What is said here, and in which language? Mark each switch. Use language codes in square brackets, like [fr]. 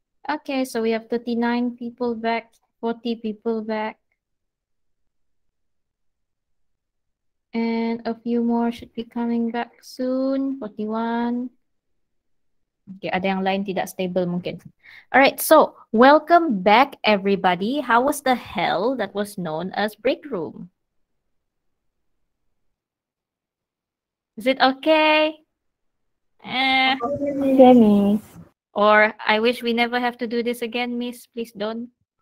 [en] Okay, so we have 39 people back, 40 people back. And a few more should be coming back soon, 41. [ms] Okay, ada yang lain tidak stable mungkin. [en] Alright, so welcome back everybody. How was the hell that was known as break room? Is it okay? Okay, Miss. Or I wish we never have to do this again, Miss. Please don't.